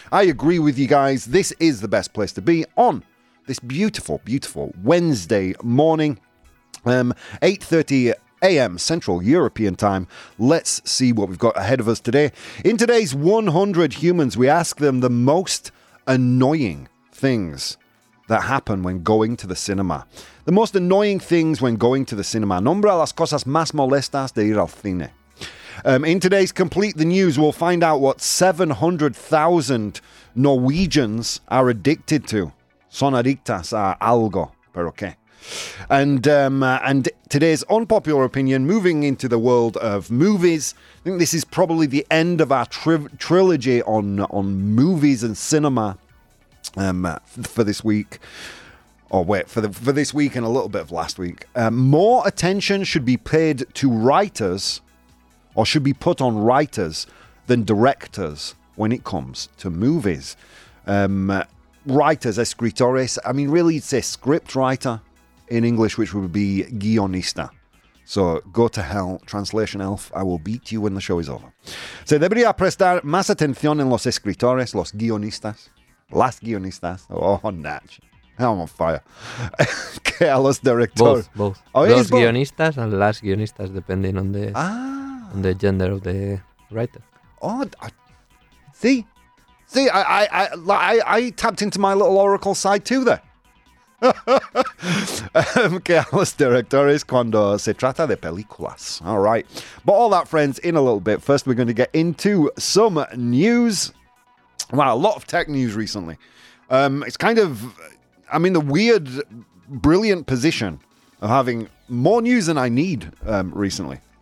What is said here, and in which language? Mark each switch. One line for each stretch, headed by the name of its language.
English: I agree with you guys. This is the best place to be on this beautiful, beautiful Wednesday morning, 8:30 a.m. Central European time. Let's see what we've got ahead of us today. In today's 100 humans, we ask them the most annoying things that happen when going to the cinema. The most annoying things when going to the cinema.
Spanish: Nombra las cosas más molestas de ir al cine.
English: In today's Complete the News, we'll find out what 700,000 Norwegians are addicted to.
Spanish: Son adictas a algo, pero qué.
English: And today's unpopular opinion, moving into the world of movies. I think this is probably the end of our trilogy on movies and cinema for this week. Or wait, for this week and a little bit of last week. More attention should be paid to writers, or should be put on writers than directors when it comes to movies. Writers, escritores, I mean, really you'd say script writer in English, which would be guionista. So go to hell, translation elf, I will beat you when the show is over.
Spanish: Se debería prestar más atención en los escritores, los guionistas, las guionistas.
English: Oh, Natch. I'm on fire.
Spanish: Que a los directores.
English: Both. Oh,
Spanish: los guionistas
English: and
Spanish: las guionistas,
English: depending on the... And the gender of the writer. Oh, I tapped into my little oracle side too there.
Spanish: Que a los directores cuando se trata de películas.
English: All right. But all that, friends, in a little bit. First, we're going to get into some news. Wow, a lot of tech news recently. It's kind of, I'm in the weird, brilliant position of having more news than I need recently.